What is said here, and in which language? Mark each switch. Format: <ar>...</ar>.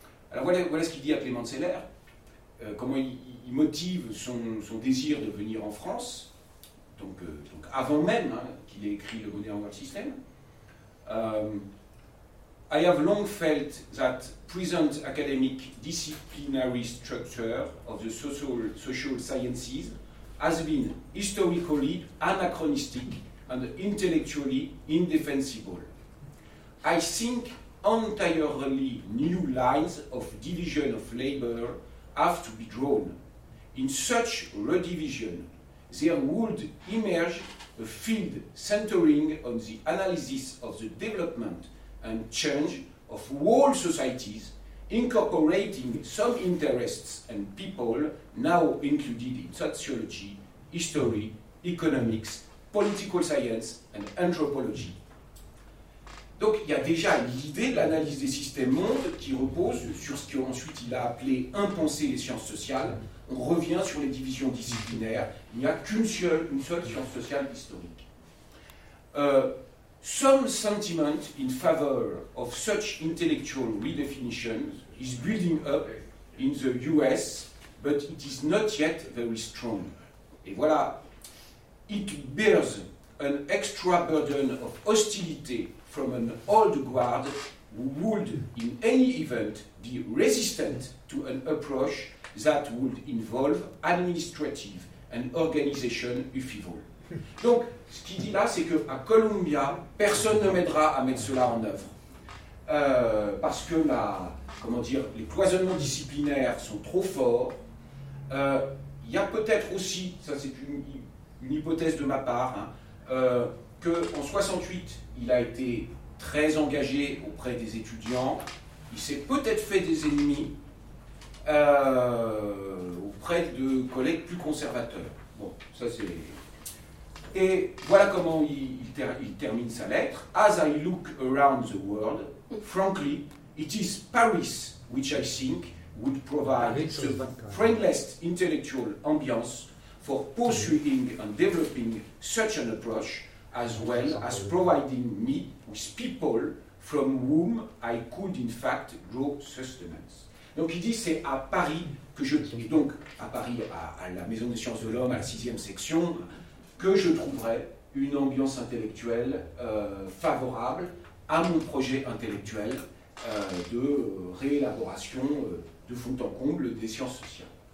<fr>Alors voilà ce qu'il dit à Clément de Salaire, comment il motive son désir de venir en France, donc avant même qu'il ait écrit le Modern World System.</fr> <en>« I have long felt that present academic disciplinary structure of the social sciences has been historically anachronistic and intellectually indefensible. I think entirely new lines of division of labor have to be drawn. In such redivision, there would emerge a field centering on the analysis of the development and change of whole societies, incorporating some interests and people now included in sociology, history, economics, political science, and anthropology. »</en> <fr>Donc, il y a déjà l'idée de l'analyse des systèmes mondes qui repose sur ce qu'ensuite il a appelé « impenser les sciences sociales ». On revient sur les divisions disciplinaires. Il n'y a qu'une seule, science sociale historique.</fr> <en>Some sentiment in favor of such intellectual redefinition is building up in the US, but it is not yet very strong.</en> <fr>Et voilà,</fr> <en>it bears an extra burden of hostility from an old guard who would, in any event, be resistant to an approach that would involve administrative and organization upheaval.</en> <fr>Donc, ce qu'il dit là, c'est qu'à Columbia, personne ne m'aidera à mettre cela en œuvre. Parce que les cloisonnements disciplinaires sont trop forts. Il y a peut-être aussi, ça c'est une hypothèse de ma part, qu'en 68, il a été très engagé auprès des étudiants. Il s'est peut-être fait des ennemis auprès de collègues plus conservateurs. Bon, ça c'est... Et voilà comment il termine sa lettre.</fr> <en>« As I look around the world, frankly, it is Paris which I think would provide the friendliest intellectual ambiance for pursuing and developing such an approach, as well as providing me with people from whom I could in fact draw sustenance.</en> <fr>Donc il dit c'est à Paris que je donc à Paris à la Maison des Sciences de l'Homme à la sixième section que je trouverai une ambiance intellectuelle favorable à mon projet intellectuel de réélaboration de fond en comble des sciences sociales.</fr>